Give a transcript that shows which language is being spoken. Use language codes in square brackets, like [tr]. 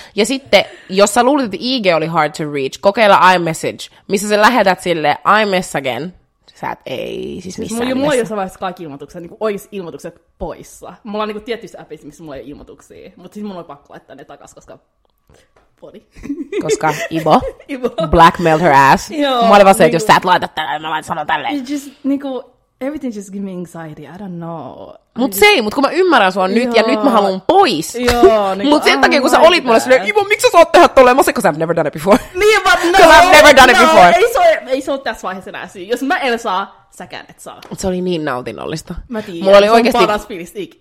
[fi] Ja sitten, jos sä luulit, että IG oli [en] hard to reach, [fi] kokeilla iMessage, missä sä lähetät sille iMessagen, sä et ei siis missään nimessä. Mulla ei jossain vaiheessa kaikki ilmoitukset, niinku olisi ilmoitukset poissa. Mulla on niinku tietyissä appissa, missä mulla ei ole ilmoituksia, mutta siis mulla on pakko laittaa ne takas, koska... [en] body. [fi] Koska [en] Ibo, Ibo blackmailed her ass. [fi] Joo, mä olin vaan se, että jos sä et laita tällä, mä vaan sanon tälle. [en] It's just, [fi] niinku, [en] everything just give me anxiety, I don't know. [fi] Mut se ei, mut kun mä ymmärrän sua nyt, ja nyt mä haluun pois. Joo, niinku, mut sen takia, kun sä olit mulle silleen, Ibo, miksi sä saat tehdä tolleen? Mä sanoin, [en] cause I've never done it before. [fi] Niin, [en] but no. Cause I've never done it before. [fi] Ei se ole tässä vaiheessa enää syy. Jos mä en saa, säkään et saa. Mut se oli niin nautinnollista. Mä tiiän, mulla oli se oikeasti, on paras fiilis ikinä.